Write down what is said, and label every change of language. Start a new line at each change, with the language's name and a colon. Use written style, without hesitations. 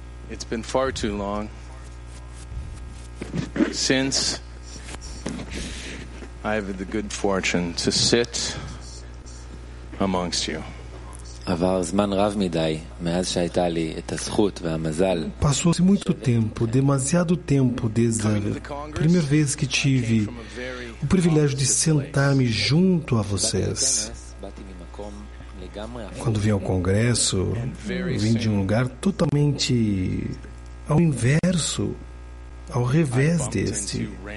English: It's been far too long since I have had the good fortune to sit amongst you.
Hebrew: עבר זמן רב מדי מאז שהייתה לי את הזכות והמזל.
Portuguese: Passou-se muito tempo, demasiado tempo desde a primeira vez que tive o privilégio de sentar-me junto a vocês. Quando vim ao Congresso, vim de um lugar totalmente ao inverso, ao revés deste.